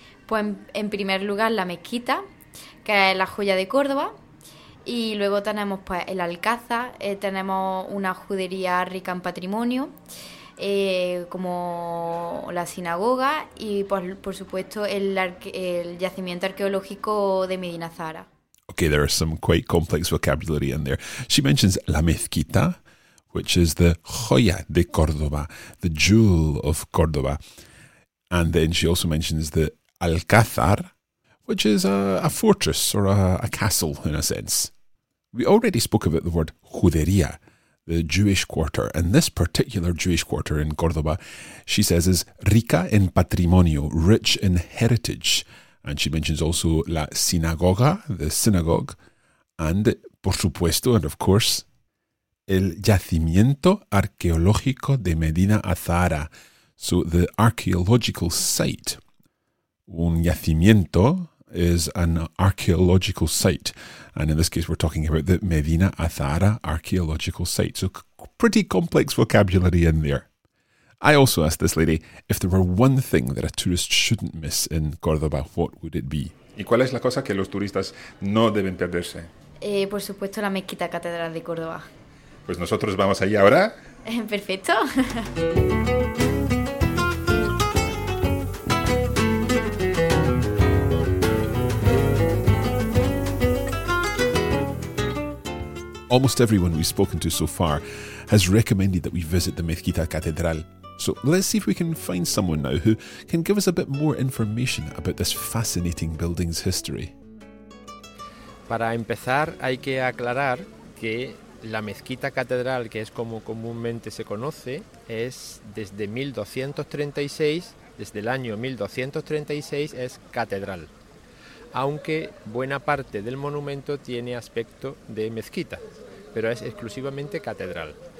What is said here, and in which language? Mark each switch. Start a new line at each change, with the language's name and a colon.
Spanish: Pues en primer lugar la mezquita, que es la joya de Córdoba, y luego tenemos pues el Alcázar, tenemos una judería rica en patrimonio, como la sinagoga y por supuesto el yacimiento arqueológico de Medina Zahara.
English: Okay, there are some quite complex vocabulary in there. She mentions la mezquita, which is the
Spanish: joya de Córdoba,
English: the jewel of Córdoba. And then she also mentions the Alcázar, which is a fortress or a castle in a sense. We already spoke about the word Judería, the Jewish quarter, and this particular Jewish quarter in Córdoba, she says, is
Spanish: rica en patrimonio,
English: rich in heritage. And she mentions also la sinagoga, the synagogue, and,
Spanish: por supuesto,
English: and of course,
Spanish: el yacimiento arqueológico de Medina Azahara,
English: so the archaeological site. Un yacimiento is an archaeological site. And in this case, we're talking about the Medina Azahara archaeological site. So pretty complex vocabulary in there. I also asked this lady, if there were one thing that a tourist shouldn't miss in Córdoba, what would it be?
Spanish: ¿Y cuál es la cosa que los turistas no deben perderse? Por supuesto, la Mezquita Catedral de Córdoba. Pues nosotros vamos ahí ahora. Perfecto.
English: Almost everyone we've spoken to so far has recommended that we visit the Mezquita Catedral. So let's see if we can find someone now who can give us a bit more information about this fascinating building's history.
Spanish: Para empezar, hay que aclarar que La mezquita catedral, que es como comúnmente se conoce, es desde 1236, desde el año 1236 es catedral, aunque buena parte del monumento tiene aspecto de mezquita, pero es exclusivamente catedral.